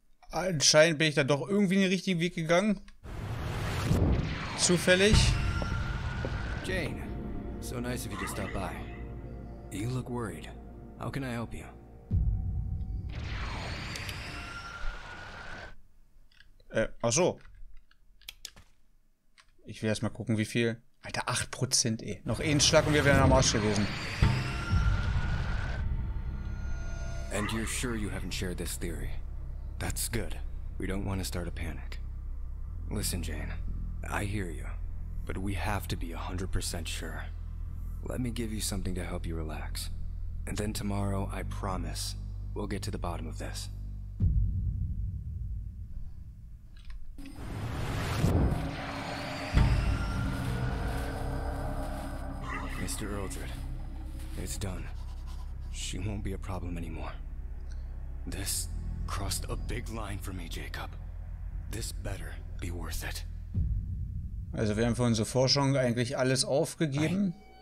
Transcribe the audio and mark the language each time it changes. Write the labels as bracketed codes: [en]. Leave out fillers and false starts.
[de] Anscheinend bin ich da doch irgendwie in den richtigen Weg gegangen. Zufällig. [en] Jane, so nice of you to stop by. You look worried. How can I help you? [de] Ach so. Ich will erst mal gucken, wie viel. Alter, 8% eh. Noch einen Schlag und wir wären am Arsch gewesen. [en] And you're sure you haven't shared this theory? That's good. We don't want to start a panic. Listen, Jane, I hear you, but we have to be 100% sure. Let me give you something to help you relax. And then tomorrow, I promise, we'll get to the bottom of this. Mr. Erldred, it's done. She won't be a problem anymore. This crossed a big line for me, Jacob. This better be worth it. [de] Also wir haben für unsere Forschung eigentlich alles aufgegeben.